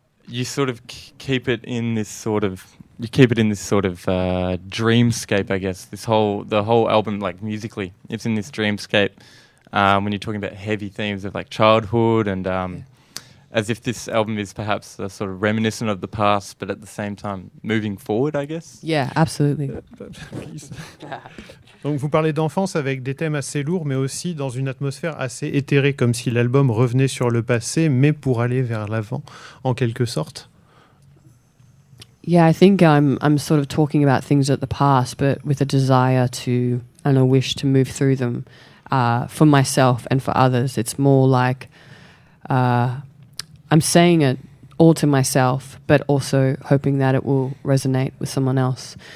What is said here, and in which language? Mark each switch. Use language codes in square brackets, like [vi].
[en] You sort of keep it in this sort of dreamscape, I guess. The whole album, like musically, it's in this dreamscape. When you're talking about heavy themes of like childhood and as if this album is perhaps a sort of reminiscent of the past, but at the same time moving forward, I guess. Yeah, absolutely. [fr] Donc vous parlez d'enfance avec des thèmes assez lourds, mais aussi dans une atmosphère assez éthérée, comme si l'album revenait sur le passé, mais pour aller vers l'avant, en quelque sorte. [en] Yeah, I think I'm sort of talking about things at the past, but with a desire to and a wish to move through them for myself and for others. It's more like I'm saying it all to myself, but also hoping that it will resonate with someone else.